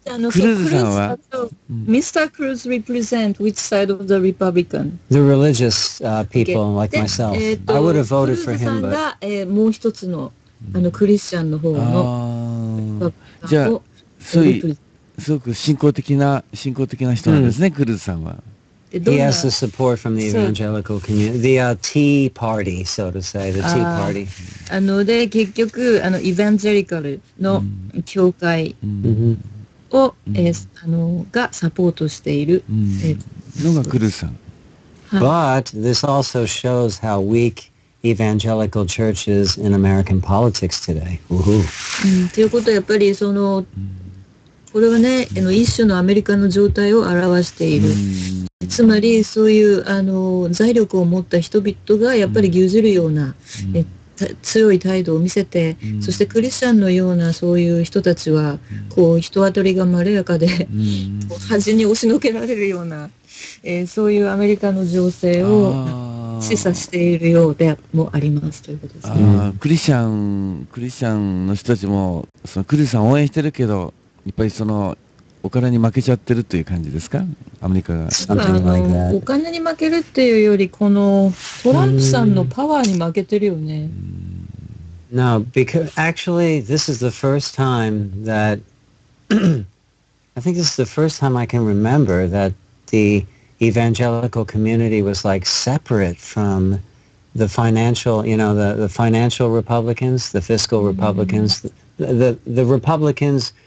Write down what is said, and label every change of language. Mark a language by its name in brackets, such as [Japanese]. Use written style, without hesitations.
[English] クルーズさんは、Mr. Cruz represent which side of the Republican? The religious people like myself. I would have voted for him, but [Japanese] クルーズさんが、もう一つの、あのクリスチャンの方の、じゃあ、そういう、すごく信仰的な人なんですね、クルーズさんは。 [English] He has the support from the evangelical community, the Tea Party, so to say, the Tea Party. [Japanese] あので結局あのイヴァンジェリカルの教会を、あのがサポートしているのがクルーさん。 [English] But this also shows how weak evangelical churches in American politics today. [Japanese] ということはやっぱりそのこれはね、あの一種のアメリカの状態を表している。つまりそういうあの財力を持った人々がやっぱり牛耳るような、強い態度を見せて、そしてクリスチャンのようなそういう人たちはこう人当たりがまろやかで端に押しのけられるような、そういうアメリカの情勢を示唆しているようでもありますということですね。あ、クリスチャンの人たちもそのクリスさん応援してるけどやっぱりそのお金に負けちゃってるという感じですか、アメリカが。お金に負けるっていうより、このトランプさんのパワーに負けてるよね。 [English] No, because actually this is the first time that I think this is the first time I can remember that the evangelical community was like separate from the financial, you know, the financial Republicans, the fiscal Republicans, the Republicans.